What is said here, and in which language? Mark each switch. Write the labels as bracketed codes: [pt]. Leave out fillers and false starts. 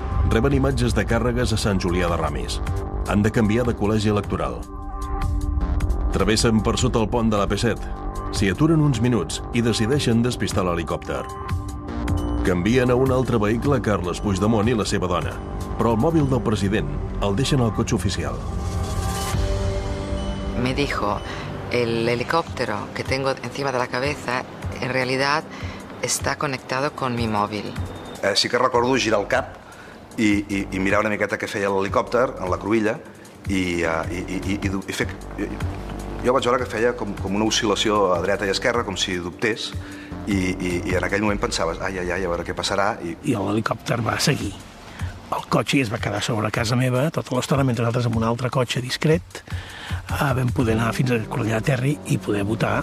[ca] Reben imatges de càrregues a Sant Julià de Ramis. Han de canviar de col·legi electoral. Travessen per sota el pont de la P7. S'hi aturen uns minuts i decideixen despistar l'helicòpter. Canvien a un altre vehicle Carles Puigdemont i la seva dona, però el mòbil del president el deixen al cotxe oficial. [es] Me dijo, el helicóptero que tengo encima de la cabeza en realidad está conectado con mi móvil. [ca] Sí que recordo girar el cap i mirar una miqueta què feia l'helicòpter en la cruïlla jo vaig veure que feia com una oscil·lació a dreta i esquerra, com si dubtés, i en aquell moment pensaves, ai, a veure què passarà. I l'helicòpter va seguir. El cotxe es va quedar sobre casa meva tota l'estona, mentre nosaltres amb un altre cotxe discret vam poder anar fins a Cornellà de Terri i poder votar.